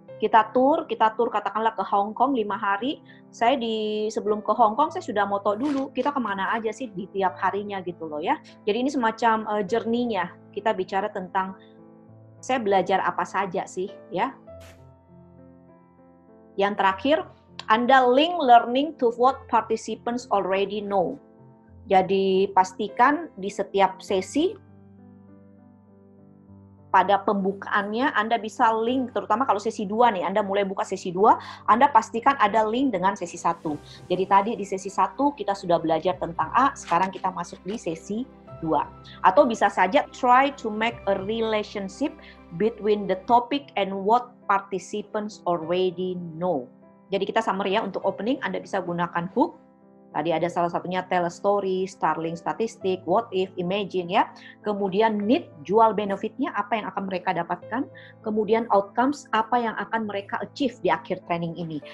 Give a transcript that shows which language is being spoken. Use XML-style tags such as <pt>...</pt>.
<id>kita tur katakanlah ke Hong Kong 5 hari. Saya di sebelum ke Hong Kong saya sudah moto dulu, kita kemana aja sih di tiap harinya gitu loh ya. Jadi ini semacam journey-nya. Kita bicara tentang saya belajar apa saja sih ya. Yang terakhir, Anda</id> <en>link learning to what participants already know.</en> <id>Jadi pastikan di setiap sesi pada pembukaannya Anda bisa link, terutama kalau sesi 2 nih, Anda mulai buka sesi 2, Anda pastikan ada link dengan sesi 1. Jadi tadi di sesi 1 kita sudah belajar tentang A, sekarang kita masuk di sesi 2. Atau bisa saja</id> <en>try to make a relationship between the topic and what participants already know.</en> <id>Jadi kita summary ya, untuk opening Anda bisa gunakan hook. Tadi ada salah satunya</id> <en>tell a story, starling statistic, what if, imagine</en> <id>ya. Kemudian need, jual benefitnya, apa yang akan mereka dapatkan. Kemudian outcomes, apa yang akan mereka achieve di akhir training ini.</id>